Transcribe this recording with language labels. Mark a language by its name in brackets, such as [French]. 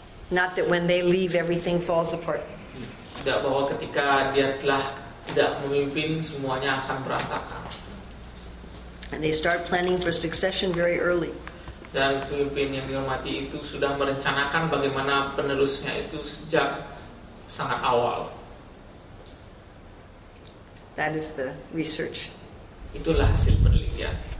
[English] Not that when they leave, everything falls apart. [Indonesian] Tidak bahwa ketika dia telah tidak memimpin, semuanya akan berantakan. [English] And they start planning for succession very early. [Indonesian] Dan pemimpin yang dihormati itu sudah merencanakan bagaimana penerusnya itu sejak sangat awal. [English] That is the research. [Indonesian] Itulah hasil penelitian.